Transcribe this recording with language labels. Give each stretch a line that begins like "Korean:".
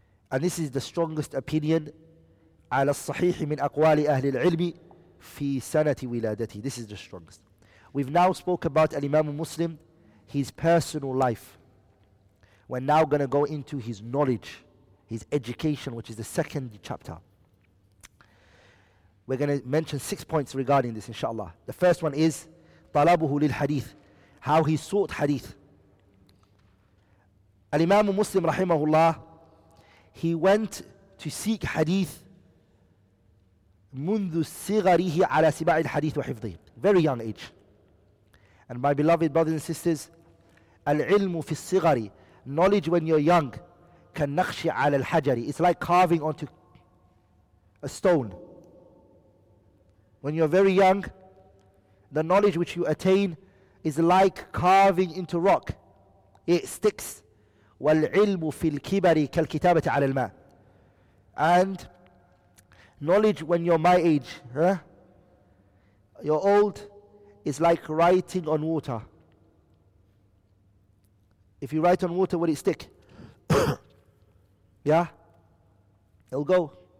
English: And this is the strongest opinion,
Arabic: على الصحيح من أقوال أهل العلم في سنة ولادته.
English: This is the strongest. We've now spoke about Imam Muslim, his personal life. We're now going to go into his knowledge, his education, which is the second chapter. We're going to mention 6 points regarding this, inshallah. The first one is
Arabic: طَلَبُهُ لِلْحَدِيثِ,
English: how he sought hadith. Al-Imam Muslim rahimahullah, he went to seek hadith
Arabic: منذ صغره على سباع الحديث وحفظه,
English: very young age. And my beloved brothers and sisters,
Arabic: العلم في الصغر,
English: knowledge when you're young,
Arabic: كنقش على الحجر,
English: it's like carving onto a stone. When you're very young, the knowledge which you attain is like carving into rock, it sticks.
Arabic: والعلم في الكبر كالكتابة على الماء.
English: And knowledge when you're my age, you're old, is like writing on water. If you write on water, will it stick? Yeah? It'll go.